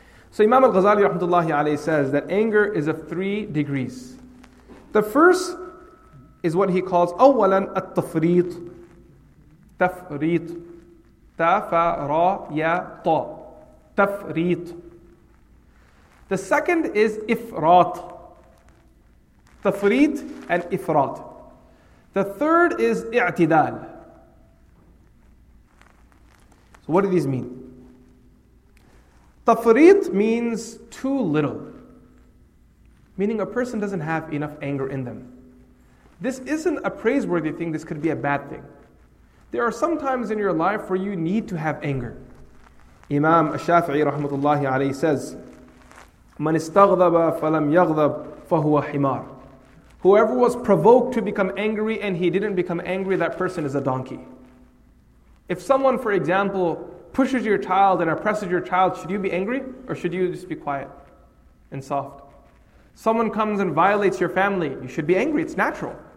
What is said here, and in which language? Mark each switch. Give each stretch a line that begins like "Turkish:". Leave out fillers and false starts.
English: So Imam Al-Ghazali rahmatullahi alayhi says that anger is of three degrees. The first is what he calls awwalan at-tafreet.
Arabic: تفريط تفريط تفريط.
English: The second is إفراط.
Arabic: تفريط and إفراط.
English: The third is اعتدال. So what do these mean? تفريط means too little, meaning a person doesn't have enough anger in them. This isn't a praiseworthy thing, this could be a bad thing. There are some times in your life where you need to have anger. Imam Ash-Shafi'i rahmatullahi alayhi says,
Arabic: من استغضب فلم يغضب فهو حمار.
English: Whoever was provoked to become angry and he didn't become angry, that person is a donkey. If someone, for example, pushes your child and oppresses your child, should you be angry or should you just be quiet and soft? Someone comes and violates your family, you should be angry, it's natural.